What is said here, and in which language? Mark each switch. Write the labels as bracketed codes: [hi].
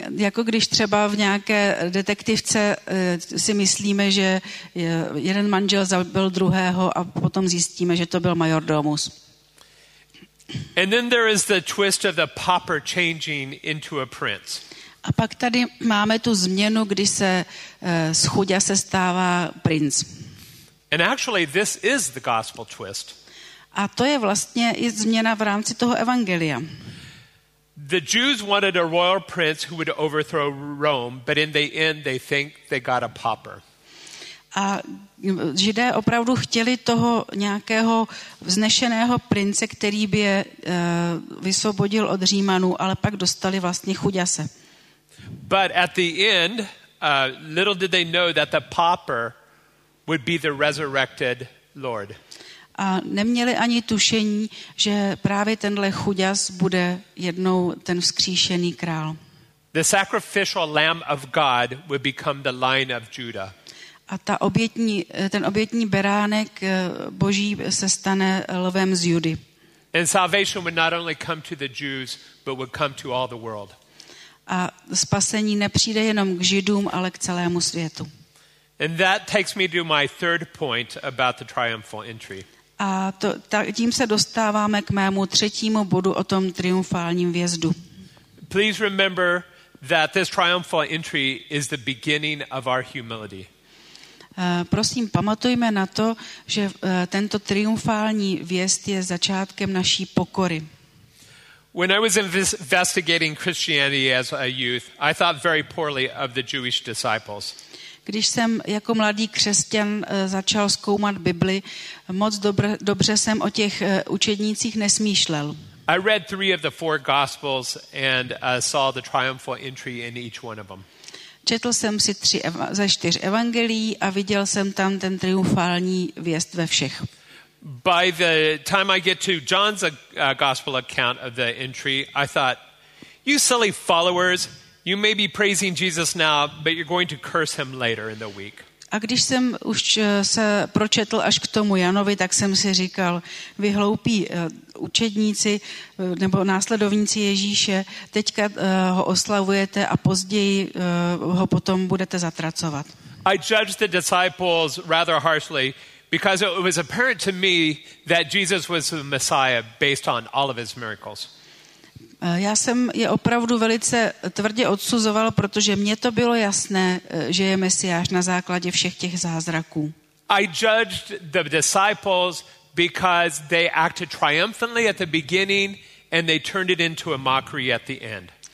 [cs] Jako když třeba v nějaké detektivce si myslíme, že jeden manžel zabil druhého a potom zjistíme, že to byl majordomus. [en] And then there is the twist of the pauper changing into a prince. [cs] A pak tady máme tu změnu, kdy se z chuďa se stává princ. [en] And actually this is the gospel twist. [cs] A to je vlastně i změna v rámci toho evangelia. [en] The Jews wanted a royal prince who would overthrow Rome, but in the end they think they got a pauper. [cs] A Židé opravdu chtěli toho nějakého vznešeného prince, který by je vysvobodil od Římanů, ale pak dostali vlastně chuďase. [en] But at the end, little did they know that the pauper would be the resurrected Lord. [cs] A neměli ani tušení, že právě tenhle chuďas bude jednou ten vzkříšený král. [en] The sacrificial lamb of God would become the Lion of Judah. [cs] A ten obětní beránek boží se stane lvem z Judy. [en] And salvation would not only come to the Jews, but would come to all the world. [cs] A spasení nepřijde jenom k Židům, ale k celému světu. [en] And that takes me to my third point about the triumphal entry. [cs] A tím se dostáváme k mému třetímu bodu o tom triumfálním vjezdu. [en] Please remember that this triumphal entry is the beginning of our humility. [cs] Prosím, pamatujme na to, že tento triumfální vjezd je začátkem naší pokory. [en] When I was investigating Christianity as a youth, I thought very poorly of the Jewish disciples. [cs] Když jsem jako mladý křesťan začal zkoumat Bibli, moc dobře jsem o těch učednících nesmýšlel. [en] I read 3 of the 4 gospels and saw the triumphal entry in each one of them. [cs] Četl jsem si 3 ze 4 evangelií a viděl jsem tam ten triumfální vjezd ve všech. [en] By the time I get to John's gospel account of the entry, I thought, you silly followers, you may be praising Jesus now, but you're going to curse him later in the week. [cs] A když jsem už se pročetl až k tomu Janovi, tak jsem si říkal, vy hloupí učedníci nebo následovníci Ježíše, teďka ho oslavujete a později ho potom budete zatracovat. [en] I judged the disciples rather harshly because it was apparent to me that Jesus was the Messiah based on all of his miracles. [cs] Já jsem je opravdu velice tvrdě odsuzoval, protože mně to bylo jasné, že je Mesiáš na základě všech těch zázraků. [en] I judged the disciples because they acted triumphantly at the beginning and they turned it into a mockery at the end.